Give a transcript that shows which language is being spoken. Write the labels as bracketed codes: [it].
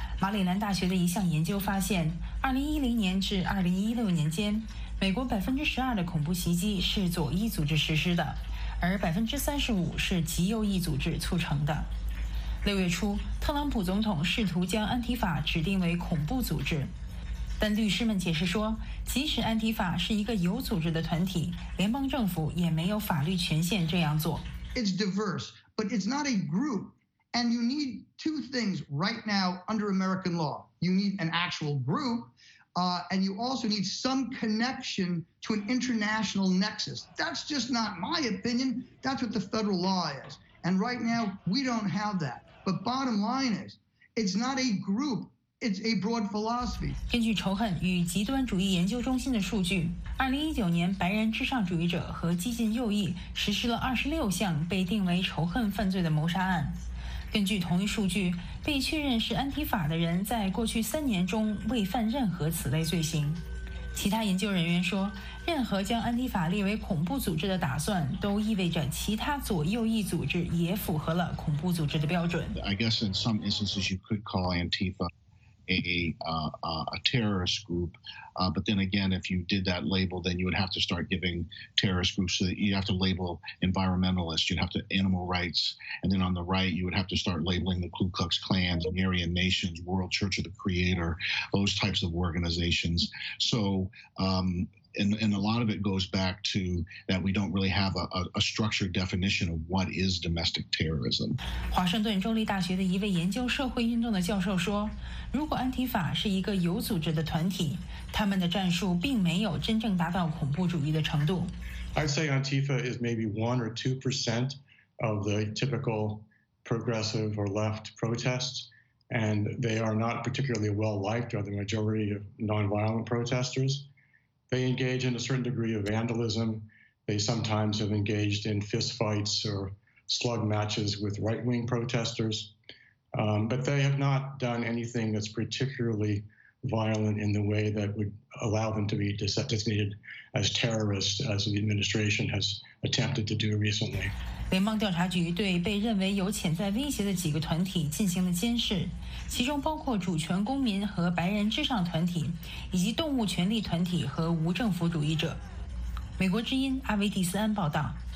[zh] 马里兰大学的一项研究发现，2010年至2016年间，美国12%的恐怖袭击是左翼组织实施的，而35%是极右翼组织促成的。六月初，特朗普总统试图将安提法指定为恐怖组织，但律师们解释说，即使安提法是一个有组织的团体，联邦政府也没有法律权限这样做。 [en] It's diverse, but it's not a group, and you need two things right now under American law. You need an actual group, and you also need some connection to an international nexus. That's just not my opinion. That's what the federal law is, and right now we don't have that. But bottom line is, it's not a group, it's a broad philosophy. [zh] 根据仇恨与极端主义研究中心的数据，2019年白人至上主义者和激进右翼实施了26项被定为仇恨犯罪的谋杀案。根据同一数据，被确认是安提法的人在过去三年中未犯任何此类罪行。其他研究人员说，任何将安提法列为恐怖组织的打算，都意味着其他左右翼组织也符合了恐怖组织的标准。 [en] I guess in some instances you could call Antifa a terrorist group, but then again, if you did that label, then you would have to start giving terrorist groups. So you have to label environmentalists, you'd have to animal rights, and then on the right, you would have to start labeling the Ku Klux Klan, the Aryan Nations, World Church of the Creator, those types of organizations. So, and a lot of it goes back to that we don't really have a structured definition of what is domestic terrorism. [zh] 华盛顿州立大学的一位研究社会运动的教授说，如果安提法是一个有组织的团体，他们的战术并没有真正达到恐怖主义的程度。 [en] I'd say Antifa is maybe 1 or 2% of the typical progressive or left protests, and they are not particularly well liked by the majority of nonviolent protesters. They engage in a certain degree of vandalism. They sometimes have engaged in fist fights or slug matches with right-wing protesters. But they have not done anything that's particularly violent in the way that would allow them to be designated as terrorists, as the administration has attempted to do recently. [zh] 联邦调查局对被认为有潜在威胁的几个团体进行了监视，其中包括主权公民和白人至上团体，以及动物权利团体和无政府主义者。美国之音阿维蒂斯安报道。